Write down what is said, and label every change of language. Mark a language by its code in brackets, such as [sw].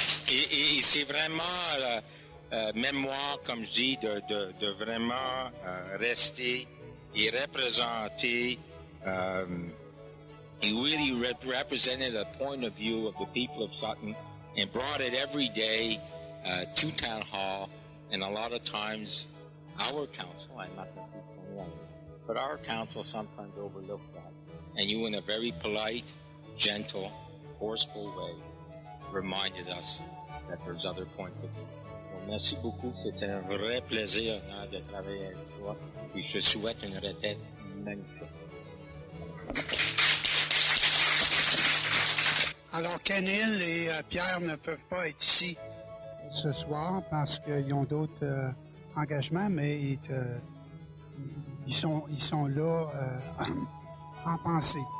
[fr] Et c'est vraiment la mémoire, comme je dis, de vraiment rester et représenter. [en] He really represented a point of view of the people of Sutton and brought it every day to town hall. And a lot of times, our council, I'm not going to be saying, but our council sometimes overlooked that. And you, in a very polite, gentle, forceful way, reminded us that there's other points of view. [fr] Well, merci beaucoup. C'était un vrai plaisir hein, de travailler avec toi. Et je souhaite une retraite magnifique. Alors, Kenil et Pierre ne peuvent pas être ici ce soir parce qu'ils ont d'autres engagements, mais ils sont là. En pensée.